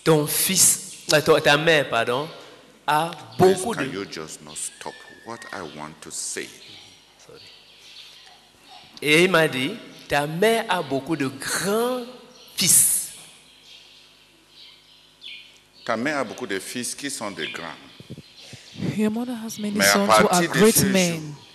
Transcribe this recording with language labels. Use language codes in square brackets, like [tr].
[fr] Ton fils, ta mère, pardon, a beaucoup de. [en] Can you just not stop what I want to say? Sorry. [fr] Et il m'a dit, ta mère a beaucoup de grands fils. Ta mère a beaucoup de fils qui sont des grands. [en] Your mother has many sons who are great men.